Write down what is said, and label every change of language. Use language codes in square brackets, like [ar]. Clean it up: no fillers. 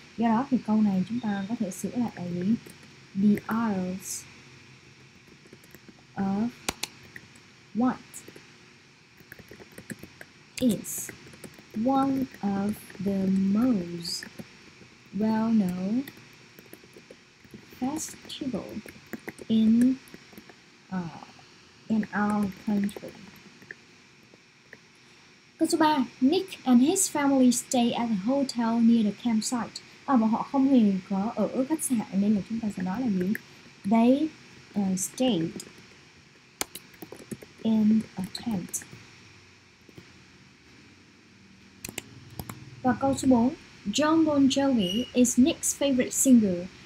[vi] Do đó thì câu này chúng ta có thể sửa lại tại vì [en] the Isles of Wight is one of the most well-known festival in our country. [vi] Câu số 3, [en] Nick and his family stay at a hotel near the campsite. [vi] À, bọn họ không hề có ở khách sạn nên là chúng ta sẽ nói là gì? [en] They stayed in a tent. [vi] Và câu số 4, [en] John Bon Jovi is Nick's favorite singer.